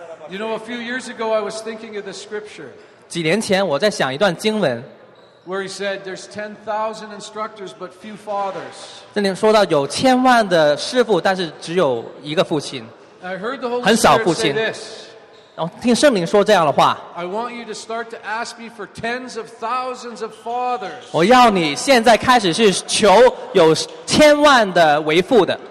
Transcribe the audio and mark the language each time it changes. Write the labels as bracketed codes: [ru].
[en] You know, a few years ago I was thinking of the scripture. [zh] 几年前我在想一段经文 [en] where he said there's 10,000 instructors but few fathers [zh] 这里说到有千万的师父但是只有一个父亲 [en] I heard the Holy [zh] 很少父亲 [en] Spirit say [zh] this. 然后听圣灵说这样的话 [en] I want you to start to ask me for tens of thousands of fathers [zh] 我要你现在开始去求有千万的为父的